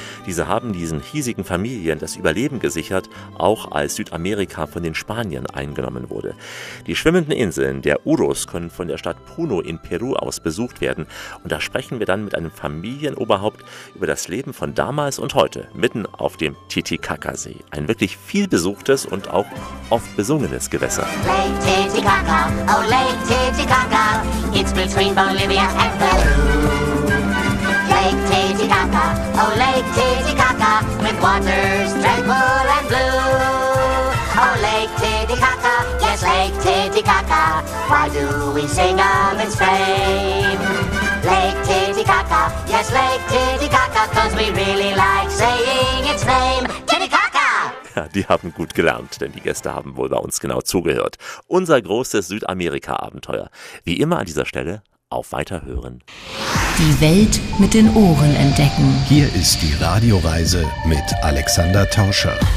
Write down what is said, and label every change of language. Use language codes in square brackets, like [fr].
[de] Diese haben diesen hiesigen Familien das Überleben gesichert, auch als Südamerika von den Spaniern eingenommen wurde. Die schwimmenden Inseln der Urus können von der Stadt Puno in Peru aus besucht werden. Und da sprechen wir dann mit einem Familienoberhaupt über das Leben von damals und heute mitten auf dem Titicaca-See. Ein wirklich viel besuchtes und auch oft besungenes Gewässer. [en] Lake Titicaca, oh Lake Titicaca, it's between Bolivia and Peru. Lake Titicaca, oh Lake Titicaca, with waters tranquil and blue. Oh Lake Titicaca, yes Lake Titicaca, why do we sing of its fame? Lake Titicaca, yes, Lake Titicaca, 'cause we really like saying its name. [de] die haben gut gelernt, denn die Gäste haben wohl bei uns genau zugehört. Unser großes Südamerika-Abenteuer. Wie immer an dieser Stelle, auf Weiterhören. Die Welt mit den Ohren entdecken. Hier ist die Radioreise mit Alexander Tauscher.